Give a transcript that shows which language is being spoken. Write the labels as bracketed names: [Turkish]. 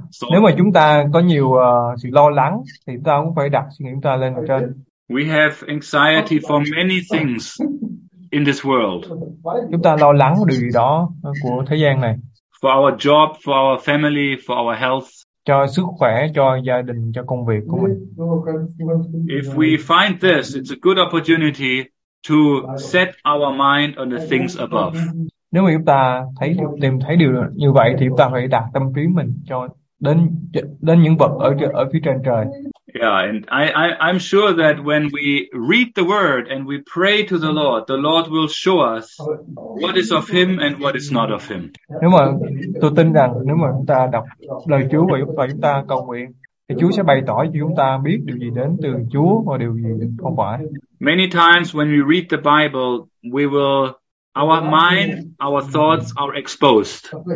[Vietnamese] Nếu mà chúng ta có nhiều sự lo lắng, thì chúng ta cũng phải đặt suy nghĩ chúng ta lên trên. [English] We have anxiety for many things in this world. [Vietnamese] Chúng ta lo lắng điều gì đó của thế gian này. [English] For our job, for our family, for our health. [Vietnamese] Cho sức khỏe, cho gia đình, cho công việc của mình. [English] If we find this, it's a good opportunity to set our mind on the things above. [Vietnamese] Nếu mà chúng ta thấy tìm thấy điều như vậy thì chúng ta phải đặt tâm trí mình cho đến những vật ở phía trên trời. [English] Yeah, and I'm sure that when we read the word and we pray to the Lord will show us what is of him and what is not of him. [Vietnamese] Nếu mà tôi tin rằng nếu mà chúng ta đọc lời Chúa và chúng ta cầu nguyện thì Chúa sẽ bày tỏ cho chúng ta biết điều gì đến từ Chúa và điều gì không phải. [English] Many times when we read the Bible, we will our mind, our thoughts are exposed.